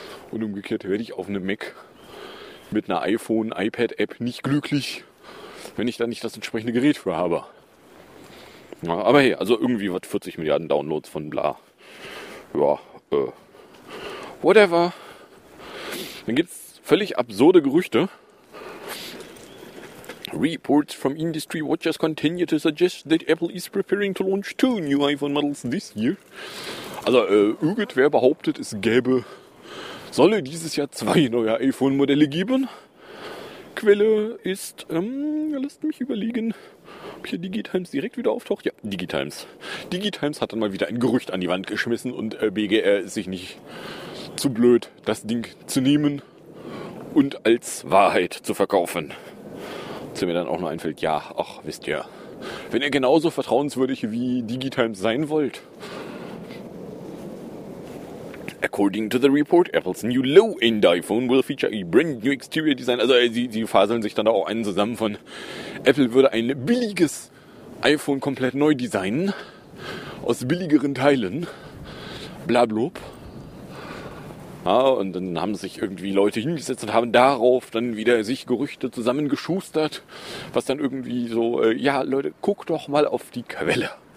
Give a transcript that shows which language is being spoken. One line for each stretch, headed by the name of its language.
German: Und umgekehrt werde ich auf einem Mac mit einer iPhone-iPad-App nicht glücklich, wenn ich da nicht das entsprechende Gerät für habe. Ja, aber hey, also irgendwie was 40 Milliarden Downloads von bla. Ja, whatever. Dann gibt's völlig absurde Gerüchte.
English: Reports from industry watchers continue to suggest that Apple is preparing to launch two new iPhone models this year.
German: Also, irgendwer behauptet, es gäbe, solle dieses Jahr zwei neue iPhone-Modelle geben. Quelle ist, lasst mich überlegen, ob hier DigiTimes direkt wieder auftaucht. Ja, DigiTimes. DigiTimes hat dann mal wieder ein Gerücht an die Wand geschmissen und BGR ist sich nicht zu blöd, das Ding zu nehmen und als Wahrheit zu verkaufen. Was mir dann auch noch einfällt, ja, ach, wisst ihr, wenn ihr genauso vertrauenswürdig wie DigiTimes sein wollt.
English: According to the report, Apple's new low-end iPhone will feature a brand new exterior design.
German: Also sie faseln sich dann da auch einen zusammen von, Apple würde ein billiges iPhone komplett neu designen, aus billigeren Teilen, blablub. Ja, und dann haben sich irgendwie Leute hingesetzt und haben darauf dann wieder sich Gerüchte zusammengeschustert, was dann irgendwie so, ja Leute, guck doch mal auf die Quelle.